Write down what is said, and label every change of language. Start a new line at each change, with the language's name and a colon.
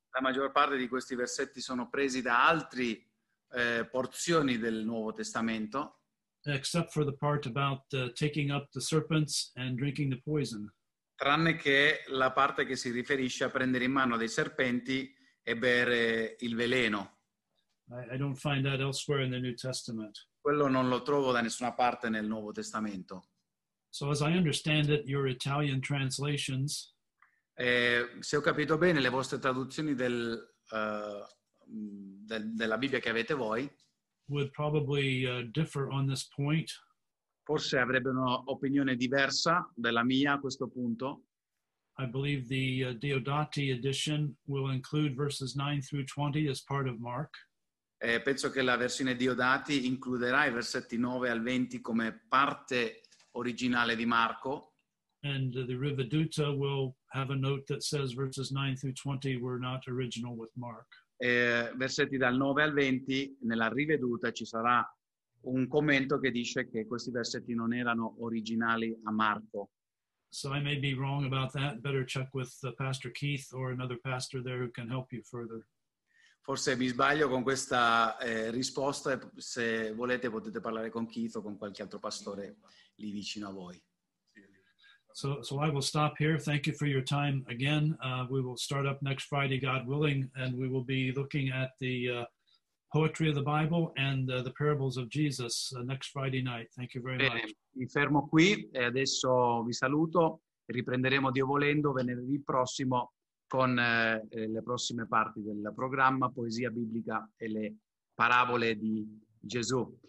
Italian: La maggior parte di questi versetti sono presi da altri porzioni del Nuovo Testamento.
English: Except for the part about taking up the serpents and drinking the poison.
Italian: Tranne che la parte che si riferisce a prendere in mano dei serpenti e bere il veleno.
English: I don't find that elsewhere in the New Testament.
Italian: Quello non lo trovo da nessuna parte nel Nuovo Testamento.
English: So as I understand it, your Italian translations,
Italian: se ho capito bene, le vostre traduzioni della Bibbia che avete voi
English: would probably differ on this point.
Italian: Forse avrebbe un'opinione diversa della mia a questo punto.
English: I believe the Diodati edition will include verses 9 through 20 as part of Mark.
Italian: Penso che la versione Diodati includerà i versetti 9 al 20 come parte originale di Marco.
English: And the Rivaduta will have a note that says verses 9 through 20 were not original with Mark.
Italian: Versetti dal 9 al 20 nella Riveduta ci sarà un commento che dice che questi versetti non erano originali a Marco.
English: So I may be wrong about that. Better check with Pastor Keith or another pastor there who can help you further.
Italian: Forse mi sbaglio con questa risposta. Se volete potete parlare con Keith o con qualche altro pastore lì vicino a voi.
English: So I will stop here. Thank you for your time again. We will start up next Friday, God willing, and we will be looking at the poetry of the Bible and the parables of Jesus next Friday night. Thank you very much.
Italian: Mi fermo qui e adesso vi saluto. Riprenderemo Dio volendo venerdì prossimo con le prossime parti del programma, poesia biblica e le parabole di Gesù.